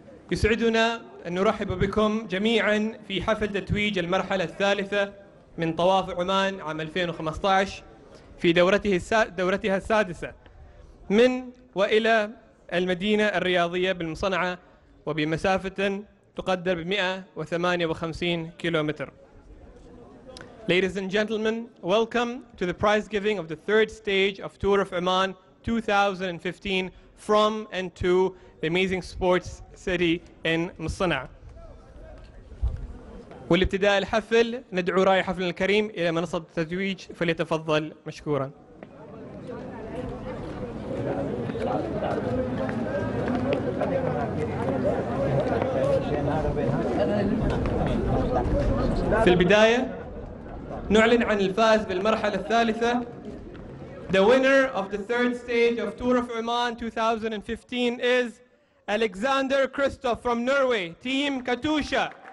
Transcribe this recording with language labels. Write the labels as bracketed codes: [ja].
[ar] يسعدنا أن نرحب بكم جميعا في حفل تتويج المرحلة الثالثة من طواف عمان عام 2015 في دورتها السادسة من وإلى المدينة الرياضية بالمصنعة وبمسافة تقدر ب 158 كيلومتر. [en] Ladies and gentlemen, welcome to the prize giving of the third stage of Tour of Oman 2015 from and to the amazing sports city in مصنع. [ar] والابتداء الحفل ندعو راعي حفلنا الكريم إلى منصة التتويج فليتفضل مشكورا. في البداية نعلن عن الفائز بالمرحلة الثالثة. [en] The winner of the third stage of Tour of Oman 2015 is Alexander Kristoff from Norway, Team Katusha.